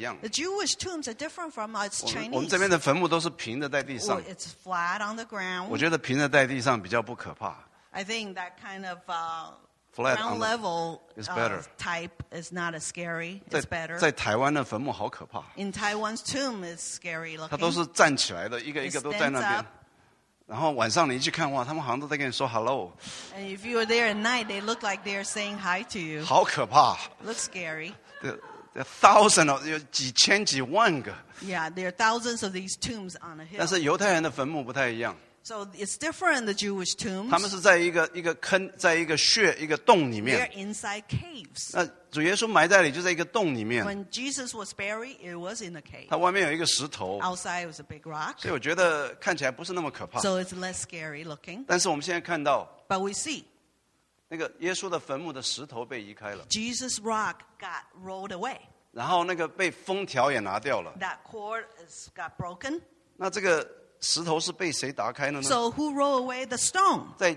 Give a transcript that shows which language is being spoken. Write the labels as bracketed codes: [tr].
[en] Jewish tombs are different from us Chinese. [zh] 我们这边的坟墓都是平的在地上。 [en] It's flat on the ground. [zh] 我觉得平的在地上比较不可怕。 [en] I think that kind of flat ground level is better. Type is not as scary. It's better. [zh] 在台湾的坟墓好可怕。 [en] In Taiwan's tomb is scary looking. [zh] 它都是站起来的，一个一个都在那边。然后晚上你一去看话，他们好像都在跟你说 hello. [en] And if you are there at night, they look like they are saying hi to you. [zh] 好可怕. [en] Looks scary. There are thousands, [zh] 有几千几万个. [en] Yeah, there are thousands of these tombs on a hill. [zh] 但是犹太人的坟墓不太一样. [en] So it's different than the Jewish tombs. [zh] 他们是在一个坑，在一个穴，一个洞里面. [en] They're inside caves. [zh] 那主耶稣埋在里就在一个洞里面. [en] When Jesus was buried, it was in a cave. [zh] 它外面有一个石头. [en] Outside was a big rock. [zh] 所以我觉得看起来不是那么可怕. [en] So it's less scary looking. [zh] 但是我们现在看到. [en] But we see. [zh] 那个耶稣的坟墓的石头被移开了. [en] Jesus' rock got rolled away. [zh] 然后那个被封条也拿掉了. [en] That cord got broken. [zh] 那这个 石头是被谁打开的呢? [en] So who rolled away the stone?